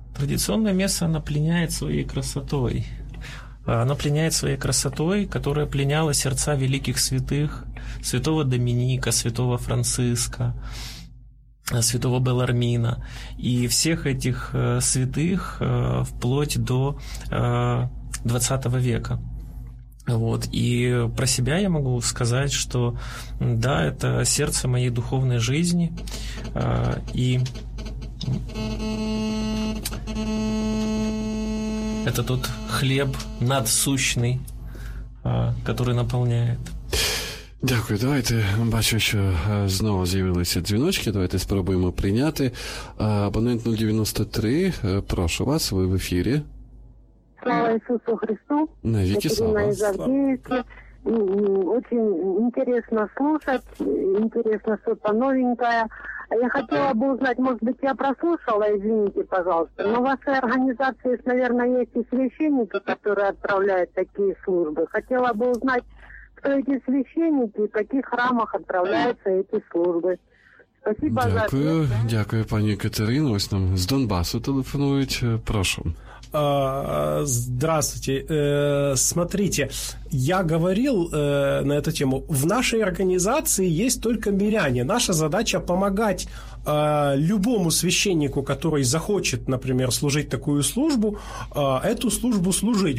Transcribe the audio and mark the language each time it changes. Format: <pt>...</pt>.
<uk>Традиційне місце напліняє своєю красотою. Воно пліняє своєю красотою, яка пліняла серця великих святих, святого Домініка, святого Франциска, святого Белармина і всіх цих святих</uk> <ru>вплоть до 20 века. Вот. И про себя я могу сказать, что да, это сердце моей духовной жизни. И это тот хлеб надсущный, который наполняет.</ru> <uk>Дякую, давайте, бачу, що знову з'явилися дзвіночки, давайте спробуємо прийняти. Абонент 093, прошу вас, ви в ефірі. Слава Ісусу Христу. Навіки слава. Слава. Дуже цікаво слухати, цікаво, що це новеньке. Я хотіла би узнати, може би, я прослушала,</uk> <ru>извините, пожалуйста,</ru> <uk>но в вашій організації, мабуть, є і священники, які відправляють такі служби. Хотіла би узнати,</uk> <ru>кто эти священники, в каких храмах отправляются эти службы. Спасибо.</ru> <uk>Дякую, за... дякую, пані Катерина. Ось нам з Донбасу телефонують. Прошу.</uk> <ru>Здравствуйте. Смотрите, я говорил на эту тему. В нашей организации есть только миряне. Наша задача помогать любому священнику, который захочет, например, служить такую службу, эту службу служить.</ru>